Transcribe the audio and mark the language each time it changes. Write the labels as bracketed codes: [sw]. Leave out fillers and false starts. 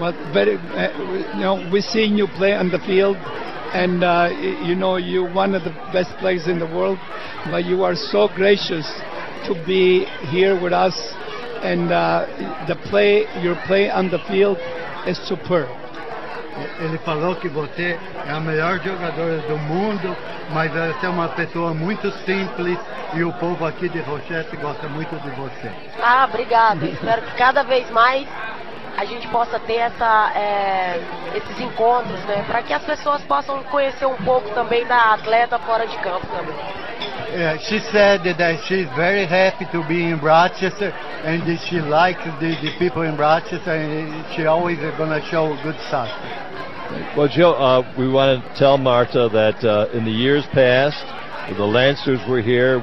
[en] Well, very, you know, we've seen you play on the field. And you know, you're one of the best players in the world, but you are so gracious to be here with us. And your play on the field is superb. [pt] Ele falou que você é a melhor jogadora do mundo, mas você é uma pessoa muito simples e o povo aqui de Rochester gosta muito de você. Ah, obrigado. Espero que cada vez mais a gente possa ter esses encontros, né, para que as pessoas possam conhecer pouco também da atleta fora de campo também. [en] Yeah, she said that she's very happy to be in Rochester, and she likes the people in Rochester, and she always is going to show good soccer. Well, Joe, we want to tell Marta that in the years past, the Lancers were here.